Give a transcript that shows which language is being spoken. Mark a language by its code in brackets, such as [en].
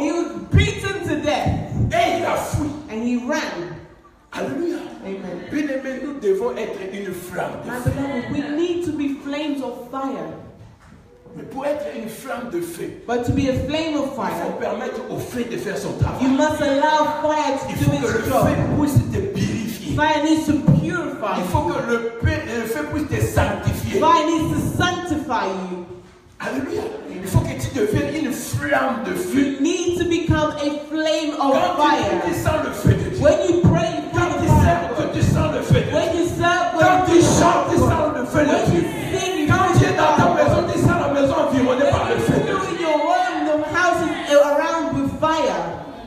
[en] He was beaten to death. [fr] Et il a fui. [en] And he ran. Alléluia. Amen. [fr] Bien-aimés, nous devons être une flamme de feu. [en] Beloved, we need to be flames of fire. [fr] Mais pour être une flamme de feu, [en] but to be a flame of fire, [fr] il faut permettre au feu de faire son travail. [en] You must allow fire to do its job. [fr] Il faut que le feu puisse te purifier. [en] Fire needs to purify. [fr] Il faut que le feu puisse te sanctifier. [en] Fire needs to sanctify you. Alléluia. [fr] Il faut que tu deviennes une flamme de feu. [en] You need to become a flame of [fr] quand [en] fire. [fr] Quand tu sens le feu de Dieu, [en] when you pray. [fr] Quand tu sens le feu de Dieu, quand tu chantes, tu sens le feu de Dieu. Quand tu es dans ta maison, tu sens la maison environnée par le feu de Dieu. [en] Your home, the house is around with fire.